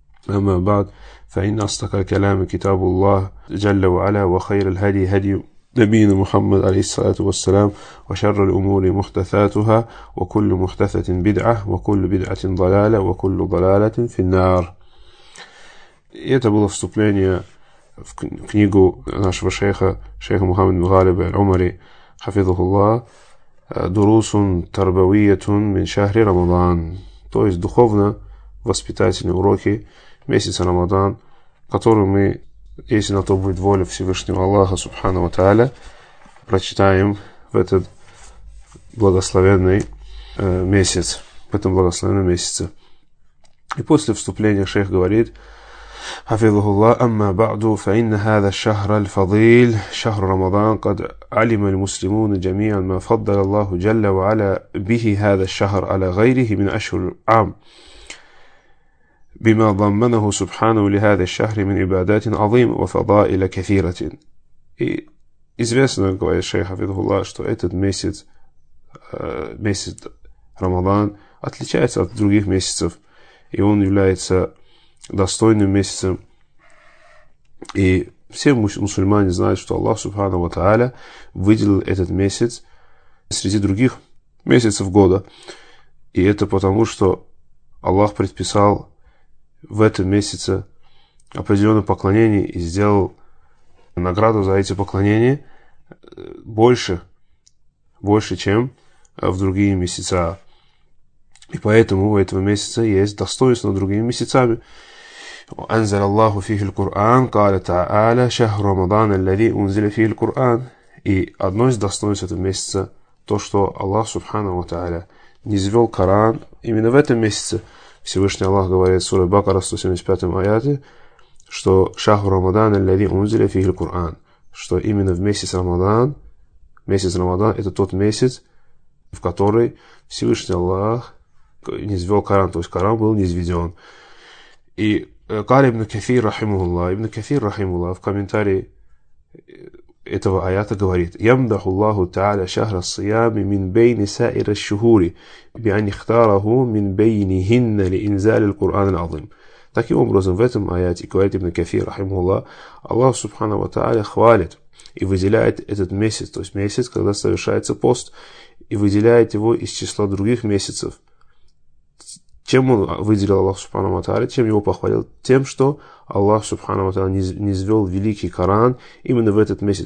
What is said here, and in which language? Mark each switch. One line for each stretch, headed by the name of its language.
Arabic: أما بعد فإن أصدق الكلام كتاب الله جل وعلا وخير الهدي هدي نبينا محمد عليه الصلاة والسلام وشر الأمور محدثاتها وكل محدثة بدعة وكل بدعة ضلالة وكل ضلالة في النار.
Russian: Это было вступление в книгу нашего шейха, шейха Мухаммада бин Галиба аль-Умари, حفظه الله,
Arabic: دروس تربوية من شهر رمضان,
Russian: то есть духовно-воспитательные уроки месяца Рамадан, который мы, если на то будет воля Всевышнего Аллаха, Субхана ва Тааля, прочитаем в этот благословенный месяц, в этом благословенном месяце. И после вступления шейх говорит,
Arabic: حفظه الله أما بعد فإن هذا الشهر الفضيل شهر رمضان قد علم المسلمون جميعا ما فضل الله جل وعلا به هذا الشهر على غيره من أشهر العام بما ضمنه سبحانه لهذا الشهر من عبادات عظيم وفضائل كثيرة.
Russian: Известно, говорит шейх حفظه الله, что этот месяц, месяц Рамадан, отличается от других месяцев, и он является достойным месяцем. И все мусульмане знают, что Аллах Субхана ва Тааля выделил этот месяц среди других месяцев года. И это потому, что Аллах предписал в этом месяце определенное поклонение и сделал награду за эти поклонения больше, больше, чем в другие месяца. И поэтому у этого месяца есть достоинство над другими месяцами.
Arabic: أنزل الله فيه القرآن قال تعالى شهر رمضان الذي أنزل فيه القرآن.
Russian: И одно из достоинств этого месяца то, что Аллах Субхана ва Тааля низвел Коран именно в этом месяце. Всевышний Аллах говорит в суре Бакара 175 аяте, что
Arabic: шахр Рамадан аллази унзиля фихи аль-Куран,
Russian: что именно в месяц Рамадан это тот месяц, в который Всевышний Аллах низвел Коран, то есть Коран был низведен.
Arabic: И قال ابن كثير رحمه الله, ابن كثير رحمه الله
Russian: в комментарии этого аята говорит:
Arabic: يمدح الله تعالى شهر الصيام من بين سائر الشهور بأن اختاره من بينهن لإنزال القرآن العظيم.
Russian: Таким образом, в этом аяте говорит ابن كثير رحمه الله, Аллах سبحانه وتعالى хвалит и выделяет этот месяц, то есть месяц, когда совершается пост, и выделяет его из числа других месяцев. Чем он выделил Аллах Субхану ва Тааля, чем его похвалил? Тем, что Аллах Субхану ва Тааля низвел великий Коран именно в этот месяц.